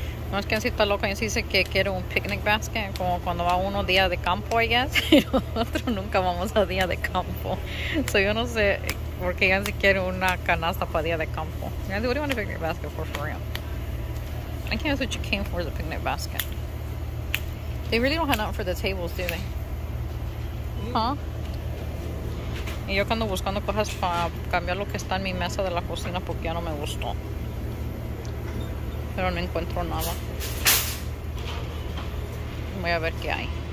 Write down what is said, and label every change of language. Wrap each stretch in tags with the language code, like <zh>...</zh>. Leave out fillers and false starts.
<es>No es que así está loca, y sí dice que quiere un picnic basket, como cuando va uno día de campo,</es> <en>I guess,</en> <es>y nosotros nunca vamos a día de campo. So yo no sé por qué ella sí quiere una canasta para día de campo. Ya digo, ¿qué quieres un</es> <en>picnic basket for real? I can't see what you came for, the picnic basket. They really don't have nothing for the tables, do they? Huh?</en> <es>Y yo ando buscando cosas para cambiar lo que está en mi mesa de la cocina porque ya no me gustó. Pero no encuentro nada. Voy a ver qué hay.</es>